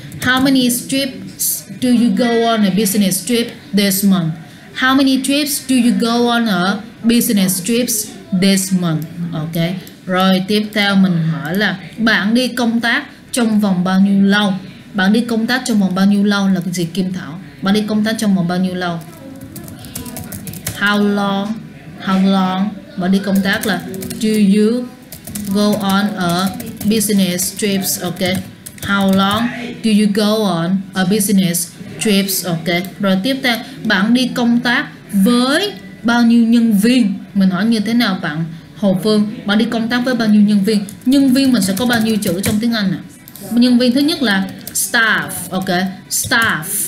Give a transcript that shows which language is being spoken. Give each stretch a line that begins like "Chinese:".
English: How many trips do you go on a business trip this month? How many trips do you go on a business trips this month? Ok.
Vietnamese: Rồi tiếp theo mình hỏi là bạn đi công tác trong vòng bao nhiêu lâu? Bạn đi công tác trong vòng bao nhiêu lâu là cái gì Kim Thảo? Bạn đi công tác trong vòng bao nhiêu lâu?
English: How long? How long?
Vietnamese: Bạn đi công tác là
English: do you go on a business trips? Ok. How long do you go on a business trips? Ok.
Vietnamese: Rồi tiếp theo, bạn đi công tác với bao nhiêu nhân viên? Mình hỏi như thế nào bạn Hồ Phương? Bạn đi công tác với bao nhiêu nhân viên? Nhân viên mình sẽ có bao nhiêu chữ trong tiếng Anh ạ? À? Nhân viên thứ nhất là staff, ok, staff.